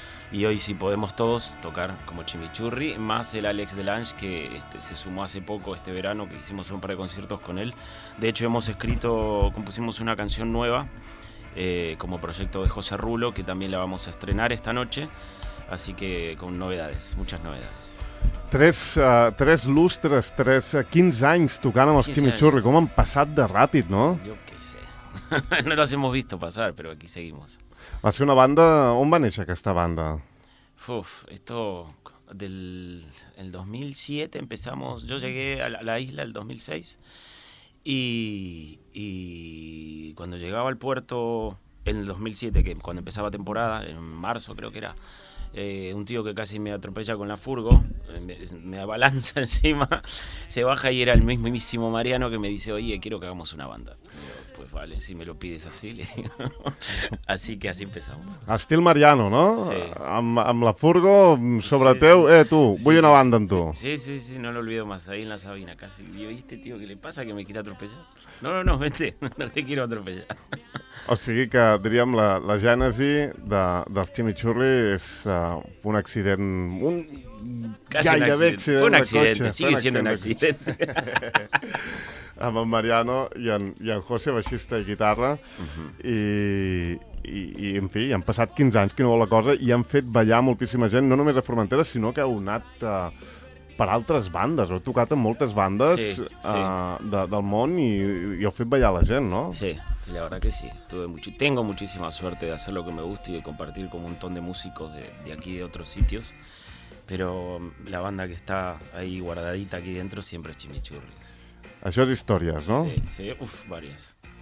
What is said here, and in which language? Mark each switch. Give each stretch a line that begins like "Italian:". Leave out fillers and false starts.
Spanish: Y hoy sí podemos todos tocar como Chimichurri, más el Alex Delange, que se sumó hace poco, este verano, que hicimos un par de conciertos con él. De hecho, compusimos una canción nueva como proyecto de José Rulo, que también la vamos a estrenar esta noche. Así que con novedades, muchas novedades.
Catalan: Tres lustres, 15 anys tocant amb els Chimichurri. Com han passat de ràpid, no? Jo què sé.
Spanish: No las hemos visto pasar, pero aquí seguimos.
Catalan: Va ser una banda... On va néixer aquesta banda?
Spanish: Uf, esto... El 2007 empezamos... Yo llegué a la isla el 2006 y cuando llegaba al puerto en el 2007, que cuando empezaba temporada, en marzo creo que era... un tío que casi me atropella con la furgo, me abalanza encima, se baja y era el mismísimo Mariano que me dice, oye, quiero que hagamos una banda. Yo, pues vale, si me lo pides así, le digo. Así que así empezamos.
Catalan: Estil Mariano, ¿no? Sí. Amb la furgo, sobre sí, teu, tú, sí, voy una banda en tú.
Spanish: Sí, no lo olvido más, ahí en la Sabina casi. Y yo, ¿y este tío qué le pasa que me quiere atropellar? No, vente, no te quiero atropellar.
Catalan: O sigui que, diríem, la gènesi dels Chimichurri és un accident, un gairebé accident.
Spanish: Fue un accident, sigue siendo un accident.
Catalan: Amb en Mariano i en José, baixista i guitarra. Uh-huh. I en fi, han passat 15 anys, quina bona cosa, i han fet ballar moltíssima gent, no només a Formentera, sinó que heu anat per altres bandes, heu tocat en moltes bandes del món i heu fet ballar la gent, no?
Spanish: Sí, la verdad que sí. Tengo muchísima suerte de hacer lo que me gusta y de compartir con un montón de músicos de aquí y de otros sitios, pero la banda que está ahí guardadita aquí dentro siempre es Chimichurri.
Catalan: Això és històries, no?
Spanish: Sí, uf, varias.